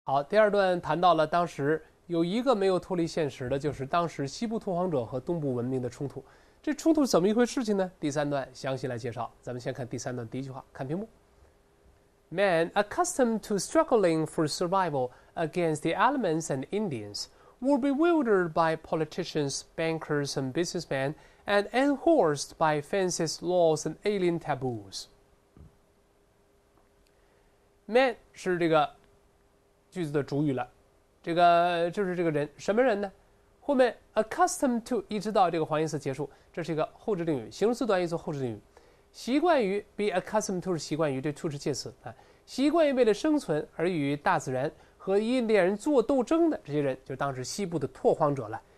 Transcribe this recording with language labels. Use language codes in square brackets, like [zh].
[zh] 好，第二段谈到了当时有一个没有脱离现实的，就是当时西部拓荒者和东部文明的冲突。这冲突怎么一回事情呢？第三段详细来介绍。咱们先看第三段第一句话，看屏幕。 [en] Men accustomed to struggling for survival against the elements and Indians were bewildered by politicians, bankers, and businessmen, and enforced by fences, laws, and alien taboos. [zh] Men 是这个句子的主语了，这个就是这个人，什么人呢？后面 accustomed to 一直到这个环义词结束，这是一个后置定语，形容词短义词后置定语。习惯于 [en] be accustomed to [zh] 是习惯于，这 to 是介词啊，习惯于为了生存而与大自然和印第安人做斗争的这些人，就当时西部的拓荒者了。